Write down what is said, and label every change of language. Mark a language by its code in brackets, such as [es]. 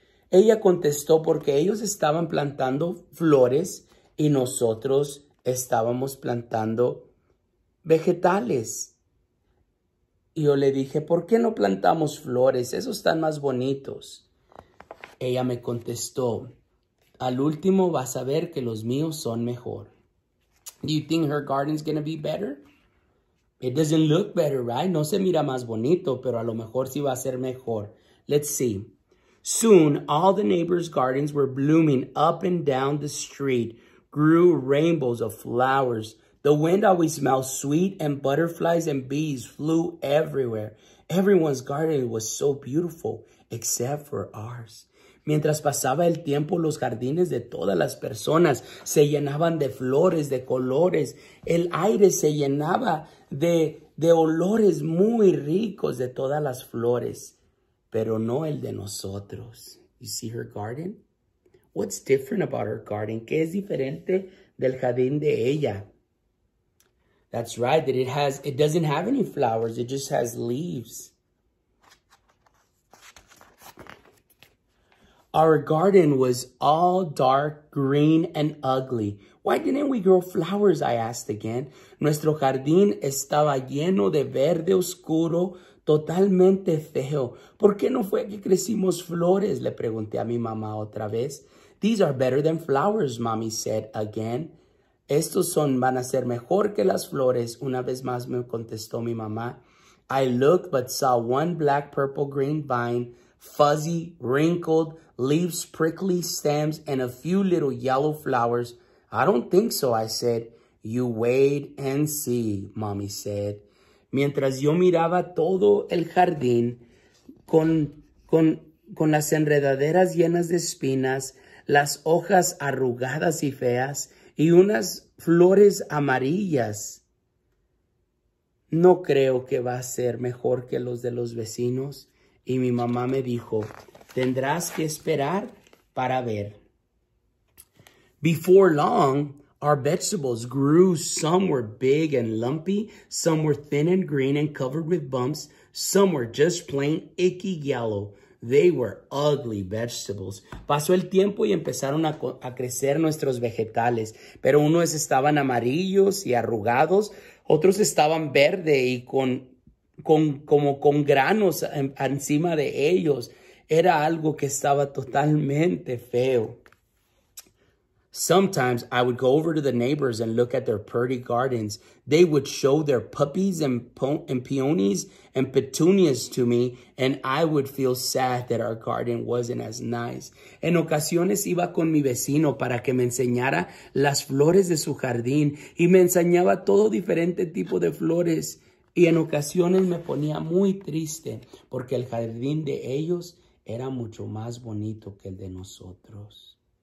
[es] Ella contestó porque ellos estaban plantando flores y nosotros estábamos plantando vegetales. Y yo le dije, ¿por qué no plantamos flores? Esos están más bonitos. Ella me contestó, al último vas a ver que los míos son mejor. [en] Do you think her garden's gonna be better? It doesn't look better, right? [es] No se mira más bonito, pero a lo mejor sí va a ser mejor. [en] Let's see. Soon, all the neighbors' gardens were blooming up and down the street. Grew rainbows of flowers. The wind always smelled sweet, and butterflies and bees flew everywhere. Everyone's garden was so beautiful, except for ours. [es] Mientras pasaba el tiempo, los jardines de todas las personas se llenaban de flores, de colores. El aire se llenaba de olores muy ricos de todas las flores, pero no el de nosotros. [en] You see her garden? What's different about her garden? [es] ¿Qué es diferente del jardín de ella? [en] That's right, that it doesn't have any flowers, it just has leaves. Our garden was all dark, green, and ugly. Why didn't we grow flowers? I asked again. [es] Nuestro jardín estaba lleno de verde oscuro, totalmente feo. ¿Por qué no fue que crecimos flores? Le pregunté a mi mamá otra vez. [en] These are better than flowers, mommy said again. [es] Estos son van a ser mejor que las flores, una vez más me contestó mi mamá. [en] I looked but saw one black, purple, green vine, fuzzy, wrinkled, leaves, prickly stems, and a few little yellow flowers. I don't think so, I said. You wait and see, mommy said. [es] Mientras yo miraba todo el jardín con las enredaderas llenas de espinas, las hojas arrugadas y feas, y unas flores amarillas. No creo que va a ser mejor que los de los vecinos. Y mi mamá me dijo, tendrás que esperar para ver. [en] Before long, our vegetables grew. Some were big and lumpy. Some were thin and green and covered with bumps. Some were just plain icky yellow. They were ugly vegetables. [es] Pasó el tiempo y empezaron a crecer nuestros vegetales. Pero unos estaban amarillos y arrugados. Otros estaban verde y con granos encima de ellos. Era algo que estaba totalmente feo. [en] Sometimes I would go over to the neighbors and look at their pretty gardens. They would show their puppies and peonies and petunias to me, and I would feel sad that our garden wasn't as nice. [es] En ocasiones iba con mi vecino para que me enseñara las flores de su jardín, y me enseñaba todo diferente tipo de flores. Y en ocasiones me ponía muy triste porque el jardín de ellos era mucho más bonito que el de nosotros.